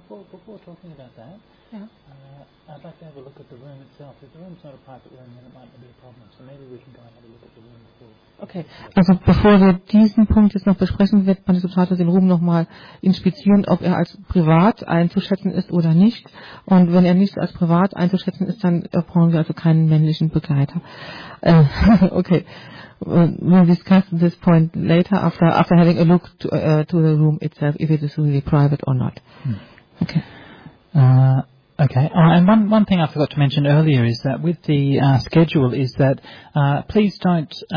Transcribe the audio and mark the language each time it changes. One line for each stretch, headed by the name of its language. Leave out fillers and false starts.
English: Before talking about that, I'd like to have a look at the room itself. If the room's not a private room, then it might not be a problem. So maybe we can go and have a look at the room before.
German: Okay, also bevor wir diesen Punkt jetzt noch besprechen, wird Panasutatu den Ruhm nochmal inspizieren, ob er als privat einzuschätzen ist oder nicht. Und wenn er nicht als privat einzuschätzen ist, dann brauchen wir also keinen männlichen Begleiter.
English: Okay, we'll discuss this point later, after having a look to the room itself, if it is really private or not. Okay. Okay, and one thing I forgot to mention earlier is that with the schedule is that please don't...